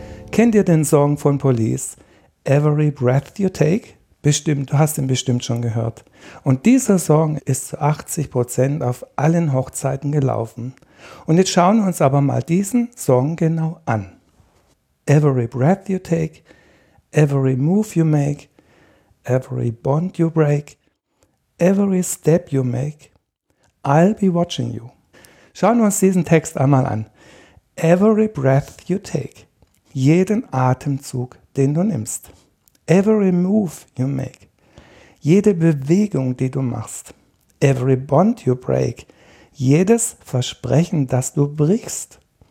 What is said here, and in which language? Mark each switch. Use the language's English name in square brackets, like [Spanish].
[German] Kennt ihr den Song von Police? Every Breath You Take? Bestimmt, du hast ihn bestimmt schon gehört. Und dieser Song ist zu 80% auf allen Hochzeiten gelaufen. Und jetzt schauen wir uns aber mal diesen Song genau an. [English] Every breath you take, every move you make, every bond you break, every step you make, I'll be watching you. [German] Schauen wir uns diesen Text einmal an. [English] Every breath you take, [German] jeden Atemzug, den du nimmst. [English] Every move you make, [German] jede Bewegung, die du machst. [English] Every bond you break, [German] jedes Versprechen, das du brichst.